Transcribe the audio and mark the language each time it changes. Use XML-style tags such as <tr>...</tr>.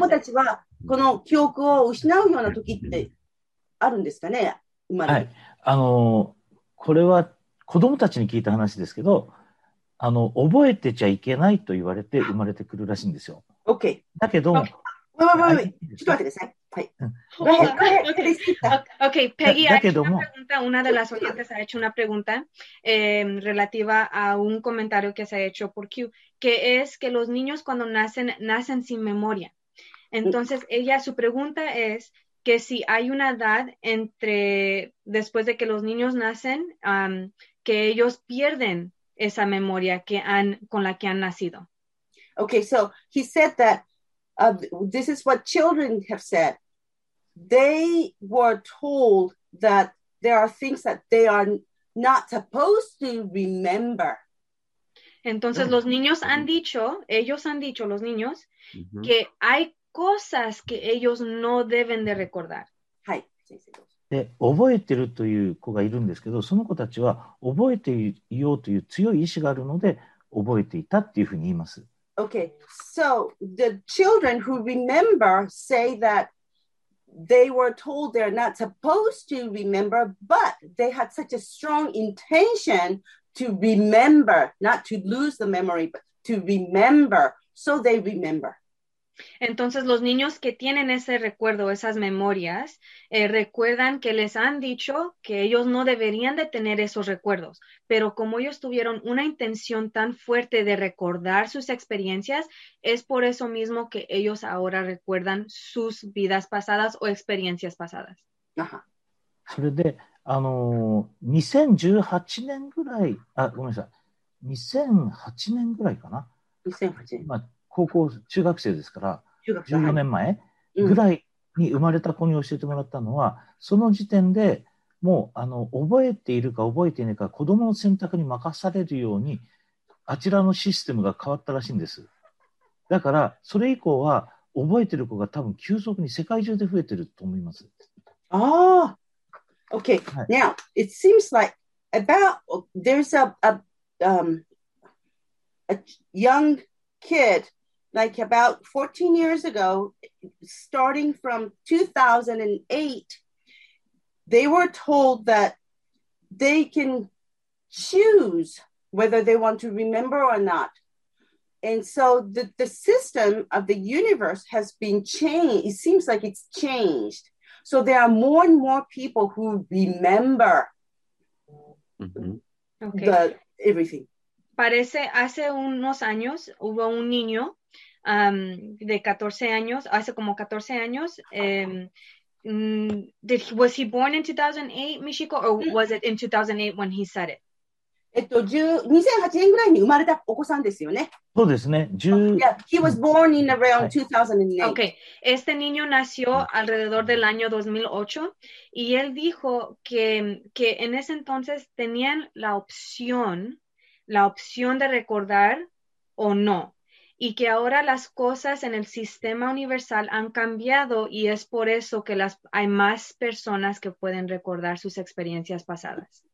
<ja>子供たちはこの記憶を失うような時ってあるんですかね、生まれ。はい。これは子供たちに聞いた話ですけど、覚えてちゃいけないと言われて生まれてくるらしいんですよ。</ja> <en>Okay.</en> <ja>だけど、</ja> <en>okay. Wait.</en> <ja>ちょっと待ってください。</ja> <es>Okay, Peggy ha hecho una pregunta, una de las oyentes ha hecho una pregunta relativa a un comentario que se ha hecho por Q, que es que los niños cuando nacen sin memoria. Entonces, ella, su pregunta es que si hay una edad entre después de que los niños nacen, que ellos pierden esa memoria con la que han nacido.</es> <en>Okay, so he said that this is what children have said. They were told that there are things that they are not supposed to remember.</en> <es>Entonces los niños han dicho, ellos han dicho, los niños, mm-hmm. que hay cosas que ellos no deben de recordar.</es> <ja>で、覚えてるという子がいるんですけど、その子たちは覚えていようという強い意志があるので、覚えていたっていうふうに言います。</ja> <en>Okay, so the children who remember say that they were told they're not supposed to remember, but they had such a strong intention to remember, not to lose the memory, but to remember, so they remember.</en> <es>Entonces los niños que tienen ese recuerdo, esas memorias, recuerdan que les han dicho que ellos no deberían de tener esos recuerdos, pero como ellos tuvieron una intención tan fuerte de recordar sus experiencias, es por eso mismo que ellos ahora recuerdan sus vidas pasadas o experiencias pasadas. Ajá.</es> <ja>それで、2018年ぐらい、あ、ごめんなさい、2008年ぐらいかな。 2008年。高校中学生ですから14年前ぐらいに生まれた子に教えてもらったのは、うん、その時点でもう覚えているか覚えていないか子どもの選択に任されるようにあちらのシステムが変わったらしいんです。だからそれ以降は覚えてる子が多分急速に世界中で増えてると思います。</ja> <en>ああ、 Okay、はい、Now it seems like about there's a youngkid, like about 14 years ago, starting from 2008, they were told that they can choose whether they want to remember or not. And so the system of the universe has been changed. It seems like it's changed. So there are more and more people who remember everything.</en> <es>Parece hace unos años hubo un niño de 14 años, hace como 14 años.</es> <en>Was he born in 2008, Michiko, or was it in 2008 when he said it?</en> <ja>2008年ぐらいに生まれたお子さんですよね。そうですね。</ja> <en>Yeah, he was born in around 2008. Okay.</en> <es>Este niño nació alrededor del año 2008 y él dijo que en ese entonces tenían la opción de recordar o no, y que ahora las cosas en el sistema universal han cambiado y es por eso que hay más personas que pueden recordar sus experiencias pasadas.</es>